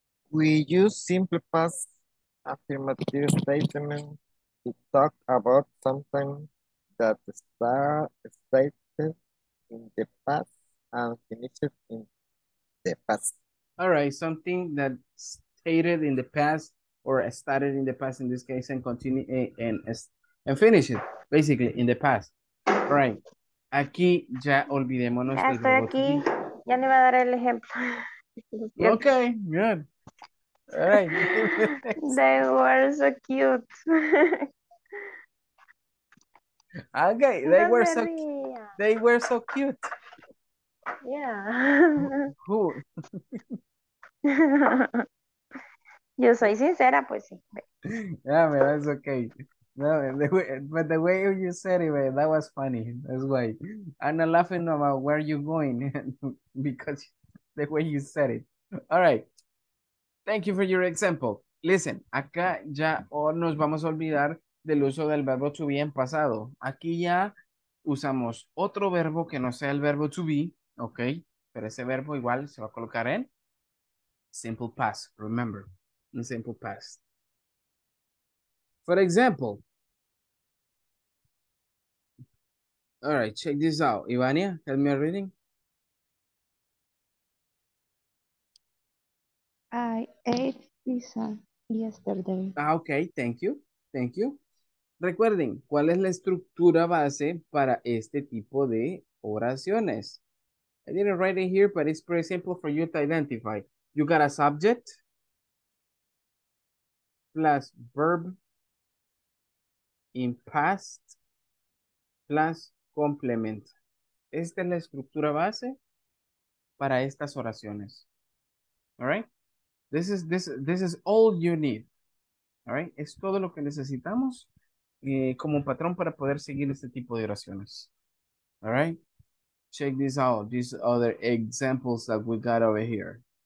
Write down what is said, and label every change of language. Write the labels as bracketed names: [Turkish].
[English] We use simple past affirmative statement to talk about something that started in the past and finished in the past. All right, something that stated in the past or started in the past in this case and continue and finished basically in the past. All right, [Spanish] aquí ya olvidémonos. Estoy aquí, ya no iba a dar el ejemplo. [English] Okay, good. All right. They were so cute. Okay, they were so they were so cute. Yeah. Who? [Spanish] Yo soy sincera, pues sí. [English] Yeah, man, that's okay. No, but the way you said it, man, that was funny. That's why I'm not laughing about where you're going because the way you said it. All right. Thank you for your example. Listen, [Spanish] acá ya nos vamos a olvidar del uso del verbo to be en pasado. Aquí ya usamos otro verbo que no sea el verbo to be, ¿ok? Pero ese verbo igual se va a colocar en simple past, [English] remember, in simple past. For example, all right, check this out. Ivania, help me reading. I ate pizza yesterday. Ah, okay, thank you, thank you. [Spanish] Recuerden, ¿cuál es la estructura base para este tipo de oraciones? [English] I didn't write it here, but it's pretty simple for you to identify. You got a subject plus verb in past plus complement. [Spanish] Esta es la estructura base para estas oraciones. [English] All right? This is all you need. All right? [Spanish] Es todo lo que necesitamos como patrón para poder seguir este tipo de oraciones. [English] All right? Check this out. These other examples that we got over here.